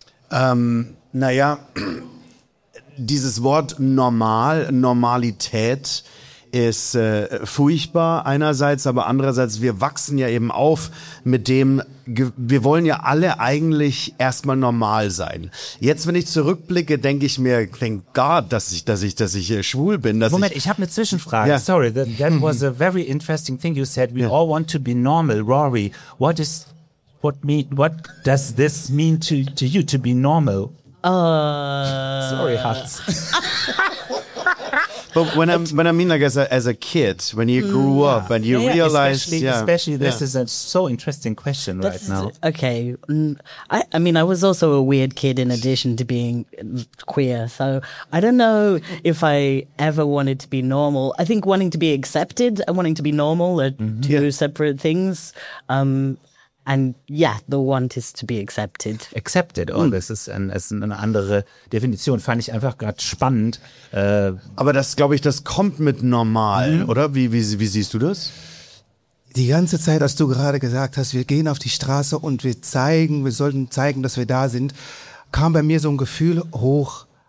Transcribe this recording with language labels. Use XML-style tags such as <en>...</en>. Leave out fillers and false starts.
<de>Naja, dieses Wort Normalität ist furchtbar einerseits, aber andererseits, wir wachsen ja eben auf mit dem, wir wollen ja alle eigentlich erstmal normal sein. Jetzt, wenn ich zurückblicke, denke ich mir,</de> <en>thank God,</en> <de>dass ich schwul bin. Moment, ich habe eine Zwischenfrage. Ja.</de> <en>Sorry, that was a very interesting thing you said. We all want to be normal, Rory. What does this mean to you, to be normal? Sorry, Hans. But when I mean, like, as a kid, when you grew up and you realized... Especially this is a so interesting question now. Okay. I mean, I was also a weird kid in addition to being queer. So I don't know if I ever wanted to be normal. I think wanting to be accepted and wanting to be normal are two separate things. And yeah, the want is to be accepted.</en> <de>Accepted, das ist eine andere Definition. Fand ich einfach gerade spannend. Aber das, glaube ich, das kommt mit normal, oder? Wie siehst du das? Die ganze Zeit, als du gerade gesagt hast, wir gehen auf die Straße und wir sollten zeigen, dass wir da sind, kam bei mir so ein Gefühl hoch.</de>